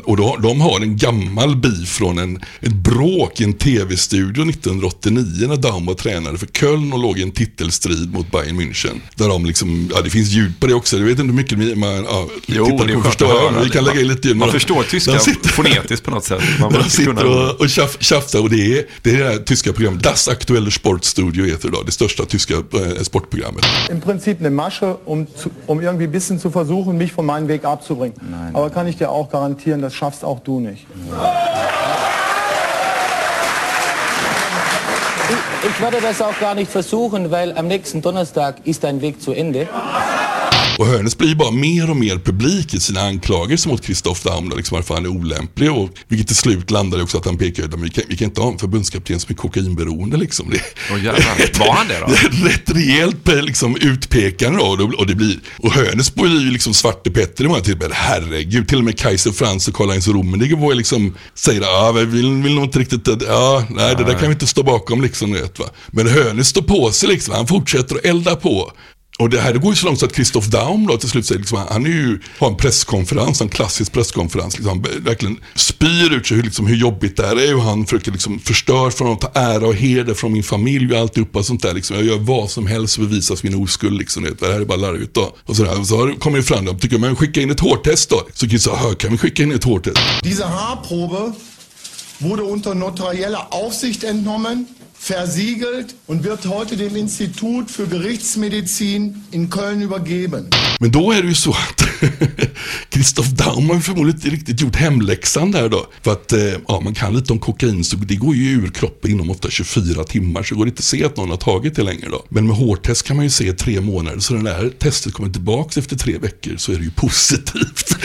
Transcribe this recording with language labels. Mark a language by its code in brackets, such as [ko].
[sv] Och då, de har en gammal beef från ett bråk i en tv-studio 1989 när Daum var tränare för Köln och låg i en titelstrid mot Bayern München. Där de liksom, ja det finns ljud på det också, jag vet inte hur mycket man, ja, vi kan lägga in lite ljud. Man förstår tyska fonetiskt på något sätt. Man sitter och tjafsar och det är det här tyska programmet Das aktuelle Sportstudio heter det då, det största tyska sportprogrammet. [de] Im Prinzip eine Masche, um irgendwie ein bisschen zu versuchen, mich von meinem Weg abzubringen. Nein. Aber kann ich dir auch garantieren, das schaffst auch du nicht. Ja. Ich werde das auch gar nicht versuchen, weil am nächsten Donnerstag ist dein Weg zu Ende. [sv] Och Hoeneß blir bara mer och mer publik i sina anklagelser mot Christoph Daum, liksom varför han är olämplig, och vilket till slut landar också att han pekar ut att vi kan inte ha en förbundskapten som är kokainberoende. Liksom. Det, och jävlar, var han det då? Rätt rejält liksom, utpekande då, och det blir, och Hoeneß blir ju liksom svarte Petter i många tillfällen. Herregud, till och med Kaiser Franz och Karl-Heinz Rummenig var ju liksom, säger att vill nog inte riktigt, nej. Det där kan vi inte stå bakom. Liksom, vet, va? Men Hoeneß står på sig, liksom, han fortsätter att elda på. Och det här, det går ju så långt så att Christoph Daum då till slut säger, liksom, han är ju på en presskonferens, en klassisk presskonferens, liksom, verkligen spyr ut sig hur jobbigt det är, och han försöker liksom förstör för att ta ära och heder från min familj och alltihopa och sånt där, liksom, jag gör vad som helst för att visa min oskuld, liksom, det här är bara larvigt då. Och så kommer ju fram, de tycker, men skicka in ett hårtest då. Så Christoph, kan vi skicka in ett hårtest? [de] Diese Haarprobe wurde unter notarieller Aufsicht entnommen, versiegelt und wird heute dem Institut für Gerichtsmedizin in Köln übergeben. [sv] Men då är det ju så att Christoph Daum har förmodligen inte riktigt gjort hemläxan där då. För att man kan lite om kokain, så det går ju ur kroppen inom ofta 24 timmar, så går det inte att se att någon har tagit det längre då. Men med hårtest kan man ju se 3 månader, så den där testet kommer tillbaka efter 3 veckor, så är det ju positivt.